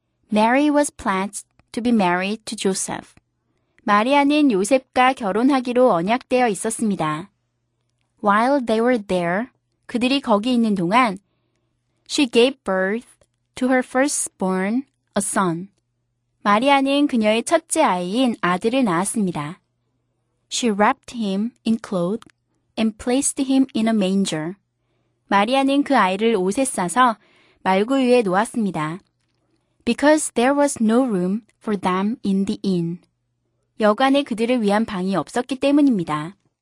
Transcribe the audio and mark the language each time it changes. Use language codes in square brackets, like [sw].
[en] Mary was pledged to be married to Joseph. [ko] 마리아는 요셉과 결혼하기로 언약되어 있었습니다. [en] While they were there, [ko] 그들이 거기 있는 동안 [en] She gave birth to her firstborn, a son. [ko] 마리아는 그녀의 첫째 아이인 아들을 낳았습니다. [en] She wrapped him in cloth and placed him in a manger. [ko] 마리아는 그 아이를 옷에 싸서 말구 위에 놓았습니다. [en] Because there was no room for them in the inn. [ko] 여관에 그들을 위한 방이 없었기 때문입니다.